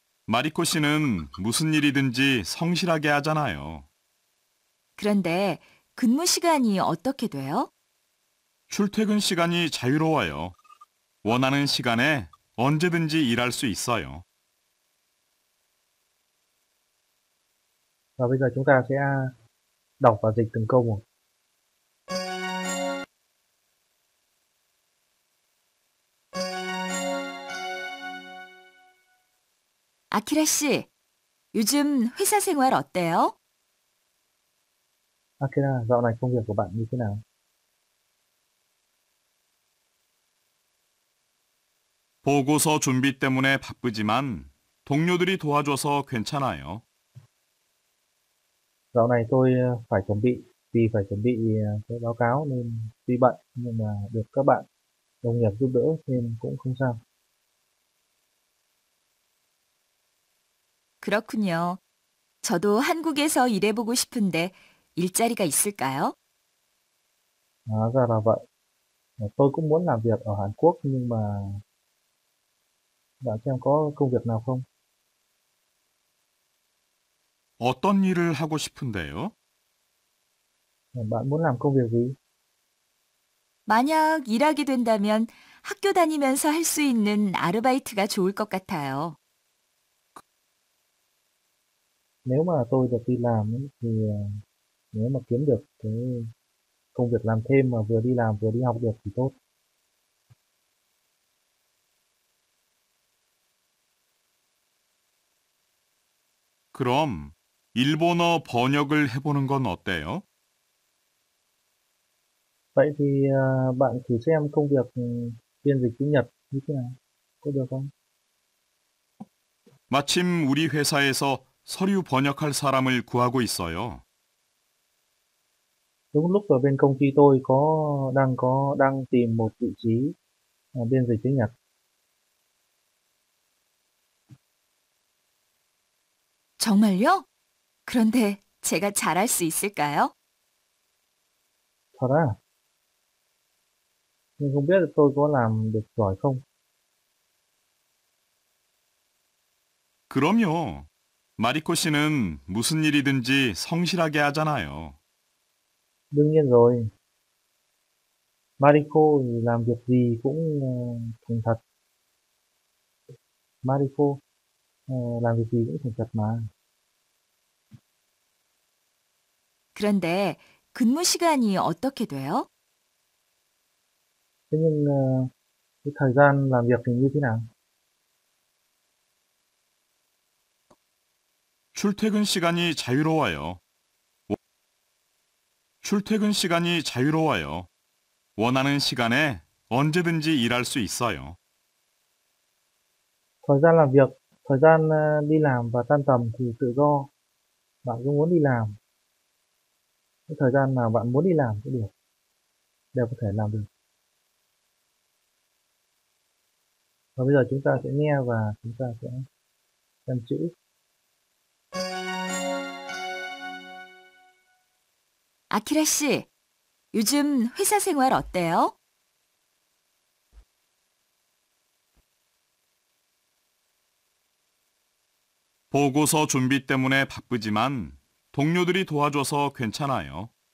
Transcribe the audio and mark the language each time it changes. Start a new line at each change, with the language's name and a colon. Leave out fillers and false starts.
Korean: 마리코 씨는 무슨 일이든지 성실하게 하잖아요. 그런데 근무 시간이 어떻게 돼요? 출퇴근 시간이 자유로워요. 원하는 시간에 언제든지 일할 수 있어요.
Vietnamese: Và bây giờ chúng ta sẽ đọc và dịch từng câu một.
Korean: 아키라 씨, 요즘 회사 생활 어때요?
Vietnamese: 아키라, dạo này công việc của bạn như thế nào?
Korean: 보고서 준비 때문에 바쁘지만 동료들이 도와줘서 괜찮아요.
Vietnamese: Dạo này tôi phải chuẩn bị, vì phải chuẩn bị cái báo cáo nên tuy bận nhưng mà được các bạn đồng nghiệp giúp đỡ nên cũng không sao.
Korean: 그렇군요. 저도 한국에서 일해보고 싶은데 일자리가 있을까요?
Vietnamese: À, ra là vậy. Tôi cũng muốn làm việc ở Hàn Quốc nhưng mà bạn xem có công việc nào không?
Korean: 어떤 일을 하고 싶은데요?
Vietnamese: Bạn muốn làm công việc gì?
Korean: 만약 일하게 된다면 학교 다니면서 할 수 있는 아르바이트가 좋을 것 같아요.
Vietnamese: Nếu mà tôi được đi làm thì nếu mà kiếm được cái công việc làm thêm mà vừa đi làm vừa đi học được thì tốt.
Korean: 그럼 일본어 번역을 해보는 건 어때요?
Vietnamese: Vậy thì bạn thử xem công việc phiên dịch tiếng Nhật như thế nào, có được không?
Korean: 마침 우리 회사에서 서류 번역할 사람을 구하고 있어요.
Vietnamese: Đúng lúc ở bên công ty tôi đang tìm một vị trí biên dịch tiếng Nhật.
Korean: 정말요? 그런데 제가 잘할 수 있을까요? 잘아.
Vietnamese: Nhưng không biết tôi có làm được giỏi không?
Korean: 그럼요. 마리코 씨는 무슨 일이든지 성실하게 하잖아요.
Vietnamese: Đương nhiên rồi. Mariko làm việc gì cũng thành thật. Mariko làm việc gì cũng thành thật mà.
Korean: 그런데 근무 시간이 어떻게 돼요?
Vietnamese: Thế nhưng cái thời gian làm việc thì như thế nào?
Korean: 출퇴근 시간이 자유로워요. 출퇴근 시간이 자유로워요. 원하는 시간에 언제든지 일할 수 있어요.
Vietnamese: Thời gian làm việc, thời gian đi làm và tan tầm thì tự do. Bạn cứ muốn đi làm. Thời gian nào bạn muốn đi làm cũng được. Đều có thể làm được. Và bây giờ chúng ta sẽ nghe và chúng ta sẽ xem chữ.
Korean: 아키라 씨, 요즘 회사 생활 어때요? 보고서 준비 때문에 바쁘지만 동료들이 도와줘서 괜찮아요.